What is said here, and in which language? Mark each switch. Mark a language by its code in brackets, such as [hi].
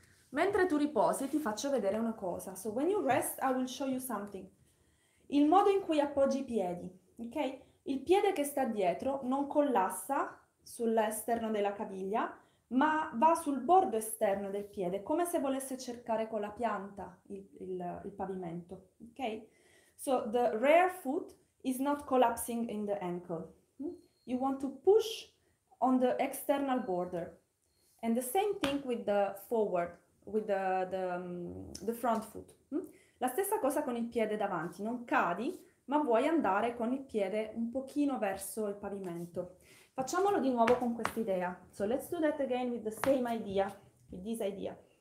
[it] Mentre tu riposi ti faccio vedere una cosa. [en] So when you rest I will show you something. [it] Il modo in cui appoggi i piedi, ok? Il piede che sta dietro non collassa sull'esterno della caviglia, ma va sul bordo esterno del piede, come se volesse cercare con la pianta il pavimento, ok? [en] So the rear foot is not collapsing in the ankle. You want to push on the external border. And the same thing with the forward, with the front foot. [it] La stessa cosa con il piede davanti, non cadi, ma vuoi andare con il piede un pochino verso il pavimento. Facciamolo di nuovo con questa idea. [en] So let's do that again with the same idea, with this idea.